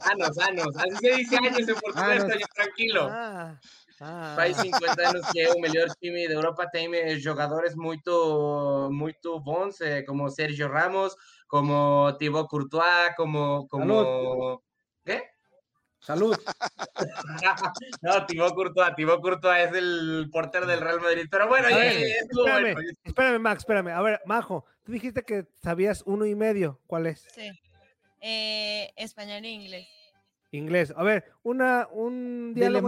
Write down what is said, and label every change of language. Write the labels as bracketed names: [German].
[Spanish] Así se dice años en portugués, estoy tranquilo. [Portuguese] Faz 50 anos que é o melhor time da Europa, tem jogadores muito, muito bons, como Sérgio Ramos, como Thibaut Courtois, como... [Spanish] Salud. ¿Qué? Salud. No, Thibaut Courtois es el portero del Real Madrid, pero bueno, Espérame, Max, a ver, Majo, tú dijiste que sabías 1.5, ¿cuál es? Sí, español e inglés. Inglés. A ver, un diálogo